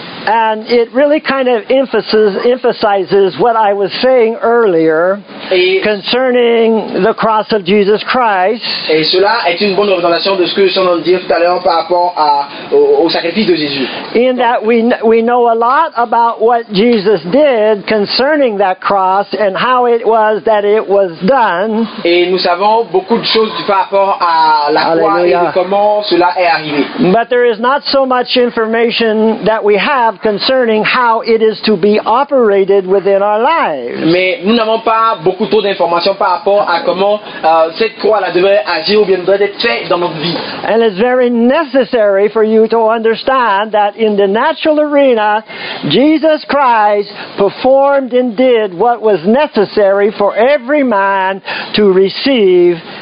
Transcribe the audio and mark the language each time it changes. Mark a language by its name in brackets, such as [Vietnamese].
[English] And it really kind of emphasizes what I was saying earlier concerning the cross of Jesus Christ. [French] Et cela est une bonne représentation de ce que j'en ai dit tout à l'heure par rapport au sacrifice de Jésus. [English] In that we know a lot about what Jesus did concerning that cross and how it was that it was done. [French] Et nous savons beaucoup de choses par rapport à la croix et de comment cela est arrivé. [English] But there is not so much information that we have concerning how it is to be operated within our lives. [French] Mais nous n'avons pas beaucoup trop d'informations par rapport à comment cette croix-là devrait agir ou bien devrait être faite dans notre vie. [English] And it's very necessary for you to understand that in the natural arena, Jesus Christ performed and did what was necessary for every man to receive